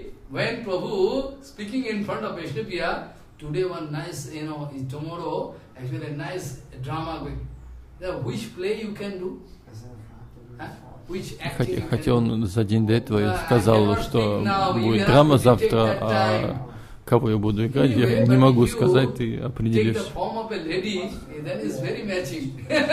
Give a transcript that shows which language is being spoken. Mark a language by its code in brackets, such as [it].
[en] When Prabhu speaking in front of Vaishnavya, today one nice, you know, tomorrow actually a nice drama. Which play you can do? Huh? Which acting? [ru] Хотя он за день до этого сказал, что будет драма завтра, а кого я буду играть, я не могу сказать, ты определишь. [en] Take the form of a lady, that is very matching.